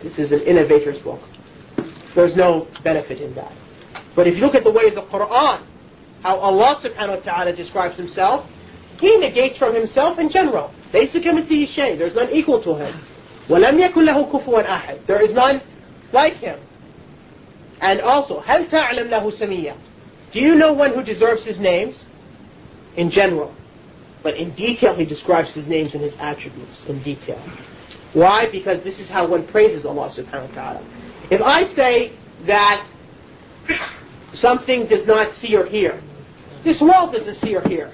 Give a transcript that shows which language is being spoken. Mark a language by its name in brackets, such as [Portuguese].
[English] This is an innovator's book. There's no benefit in that. But if you look at the way of the Quran, how Allah subhanahu wa ta'ala describes himself, he negates from himself in general. There's none equal to him. [Arabic] وَلَمْ يَكُنْ لَهُ كُفُوًا أَحَدٍ. [English] There is none like him. And also, [Arabic] هَلْ تَعْلَمْ لَهُ سَمِيَّةٍ. [English] Do you know one who deserves his names? In general. But in detail, he describes his names and his attributes in detail. Why? Because this is how one praises Allah subhanahu wa ta'ala. If I say that something does not see or hear, this wall doesn't see or hear.